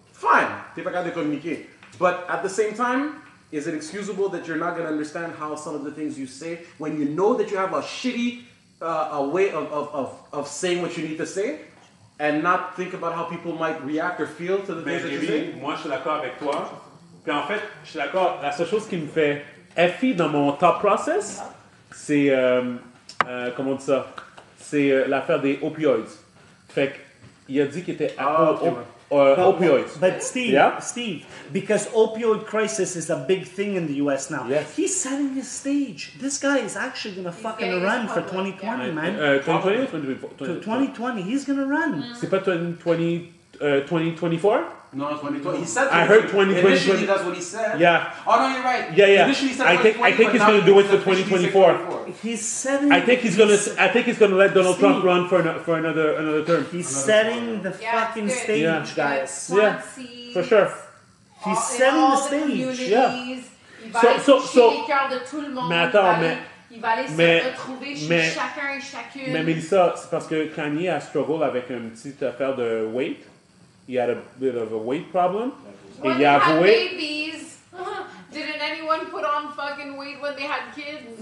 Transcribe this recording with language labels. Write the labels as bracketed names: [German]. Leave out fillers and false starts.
[French] Fine, t'es pas capable de communiquer. [English] But at the same time, is it excusable that you're not going to understand how some of the things you say when you know that you have a shitty a way of saying what you need to say and not think about how people might react or feel to the things that you say? [French] Moi, je suis d'accord avec toi. Puis en fait, je suis d'accord, la seule chose qui me fait FI dans mon [English] thought process, [French] c'est, comment on dit ça, c'est l'affaire des opioids. Fait qu'il a dit qu'il était opioids. [English] But Steve, Steve, because opioid crisis is a big thing in the US now. Yes. He's setting his stage. This guy is actually going to fucking run for 2020, man. 2020 or 2024? 2020, he's going to run. [French] C'est pas 2024? [English] No, 2020. He said 2020. I heard 2020. Initially, that's what he said. Yeah. Oh, no, you're right. Yeah, yeah. Initially, he said I think he's going to do it for 2024. He's setting... I think he's going to let Donald Trump run for another term. He's another setting term. The fucking stage, guys. Yeah, for sure. He's setting the stage. Yeah. [French] So, mais attends, mais... Il va aller se retrouver chez chacun et chacune. Mais Mélissa, c'est parce que Kanye a struggle avec une petite affaire de weight. [English] He had a bit of a weight problem. When they had babies, didn't anyone put on fucking weight when they had kids?